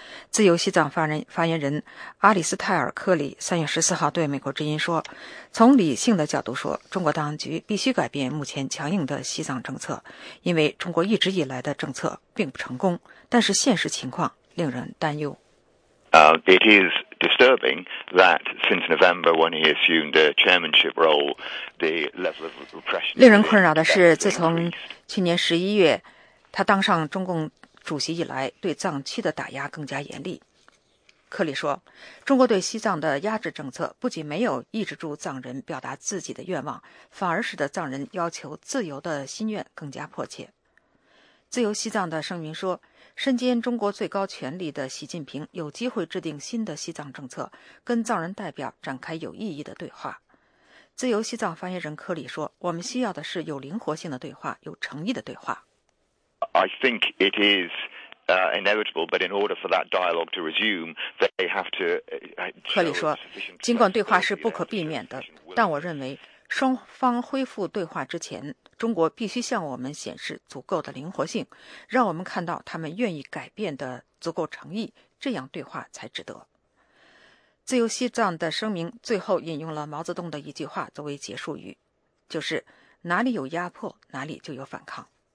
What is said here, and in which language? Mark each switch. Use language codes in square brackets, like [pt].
[zh] 自由西藏发言人阿里斯泰尔克里3月14号对美国之音说，从理性的角度说，中国当局必须改变目前强硬的西藏政策，因为中国一直以来的政策并不成功，但是现实情况令人担忧。 [en] It is disturbing that since November, when he assumed the chairmanship role, the level of repression. [zh] 令人困扰的是，自从去年11月他当上中共主席以来对藏区的打压更加严厉。克里说，中国对西藏的压制政策不仅没有抑制住藏人表达自己的愿望，反而使得藏人要求自由的心愿更加迫切。自由西藏的声明说，身兼中国最高权力的习近平有机会制定新的西藏政策，跟藏人代表展开有意义的对话。自由西藏发言人柯里说，我们需要的是有灵活性的对话，有诚意的对话。 [en] I think it isis inevitable, but in order for that dialogue to resume, they have to. [zh] 克里说，尽管对话是不可避免的，但我认为双方恢复对话之前，中国必须向我们显示足够的灵活性，让我们看到他们愿意改变的足够诚意，这样对话才值得。自由西藏的声明最后引用了毛泽东的一句话作为结束语，就是哪里有压迫，哪里就有反抗。